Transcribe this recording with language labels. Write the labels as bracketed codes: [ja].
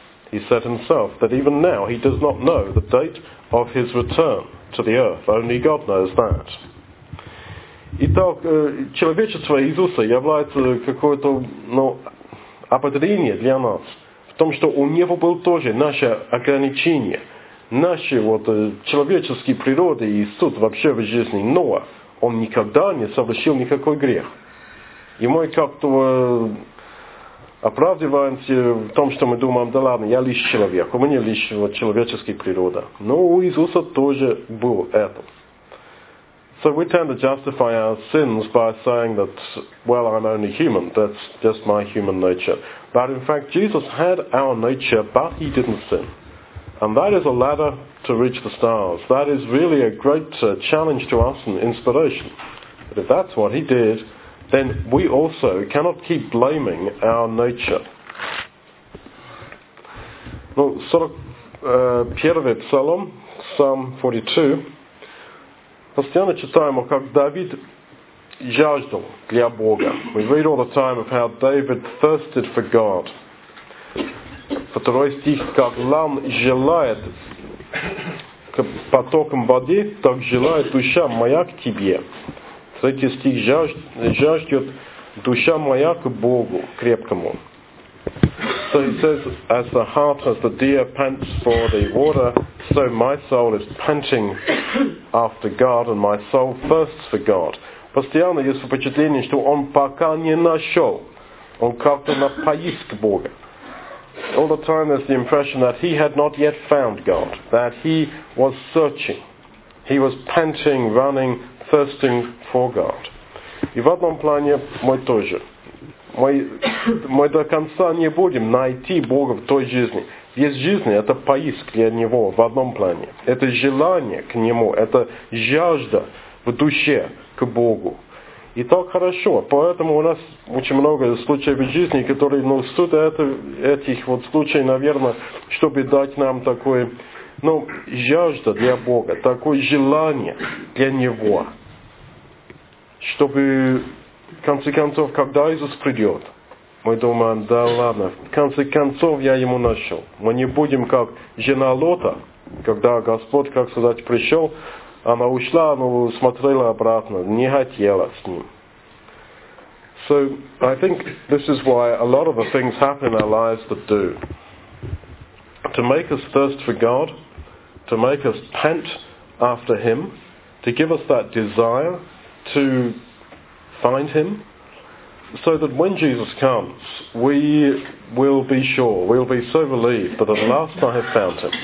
[en] He said himself that even now he does not know the date of his return to the earth. Only God knows that. [ru] Итак, человечество Иисуса является какое-то, ну, ободрение для нас в том, что у него было тоже наше ограничение. Наши вот человеческие природы и суд вообще в жизни Ноа, он никогда не совершил никакой грех. И мы как-то оправдываемся в том, что мы думаем, да ладно, я лишь человек, у меня лишь вот человеческая природа. Но у Иисуса тоже был это. [en] So we tend to justify our sins by saying that, well, I'm only human, that's just my human nature. But in fact, Jesus had our nature, but he didn't sin. And that is a ladder to reach the stars. That is really a great challenge to us and inspiration. But if that's what he did, then we also cannot keep blaming our nature. [ru] Ну, 41-й Псалом, [en] Psalm 42. [ru] Постоянно читаем, как Давид жаждал для Бога. [en] We read all the time of how David thirsted for God. [ru] Второй стих, как лам желает к потокам воды, так желает душа моя к тебе. Третий стих, жаждет душа моя к Богу крепкому. [en] So he says, as the heart of the deer pants for the water, so my soul is panting after God, and my soul thirsts for God. [ru] Постоянно есть впечатление, что он пока не нашел, он как-то на поиск Бога. [en] All the time there's the impression that he had not yet found God, that he was searching, he was panting, running, thirsting for God. [ru] И в одном плане мы тоже. Мы до конца не будем найти Бога в той жизни. Есть жизнь, это поиск для Него в одном плане. Это желание к Нему, это жажда в душе к Богу. И так хорошо. Поэтому у нас очень много случаев в жизни, которые, ну, суть этих вот случаев, наверное, чтобы дать нам такое, ну, жажда для Бога, такое желание для Него. Чтобы, в конце концов, когда Иисус придет, мы думаем, да ладно, в конце концов я Ему нашел. Мы не будем как жена Лота, когда Господь, как сказать, пришел, она ушла, она смотрела обратно, не хотела с ним. [en] So, I think this is why a lot of the things happen in our lives that do. To make us thirst for God, to make us pant after Him, to give us that desire to find Him, so that when Jesus comes, we will be sure, we'll be so relieved that at last I have found Him.